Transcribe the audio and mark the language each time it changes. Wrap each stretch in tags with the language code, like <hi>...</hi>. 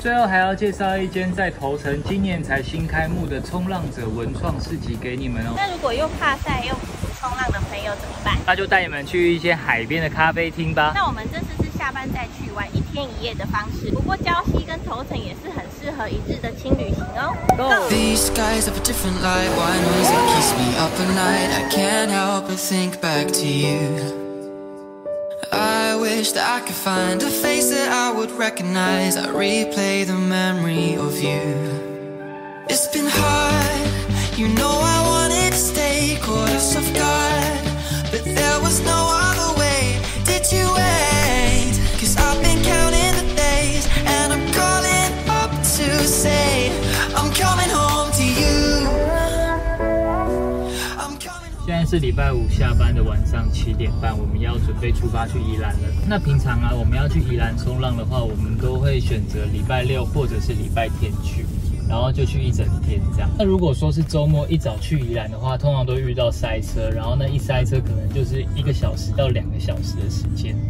<zh>最后还要介绍一间在头城今年才新开幕的冲浪者文创市集给你们哦。那如果又怕晒又不冲浪的朋友怎么办？那就带你们去一间海边的咖啡厅吧。那我们这次是下班再去玩一天一夜的方式，不过礁溪跟头城也是很适合一日的轻旅行哦。</zh> <en>Go! These skies have a different light. Why does it keeps me up at night? I can't help but think back to you. I wish that I could find a face that I would recognize. I replay the memory of you. It's been hard. You know I wanted to stay course of God, but there was no other way. Did you wait? Cause I've been counting the days and I'm calling up to say I'm coming home to you.</en> <zh>现在是礼拜五下班的晚上7:30，我们要准备出发去宜兰了。那平常啊，我们要去宜兰冲浪的话，我们都会选择礼拜六或者是礼拜天去，然后就去一整天这样。那如果说是周末一早去宜兰的话，通常都遇到塞车，然后呢一塞车可能就是1-2小时的时间。</zh>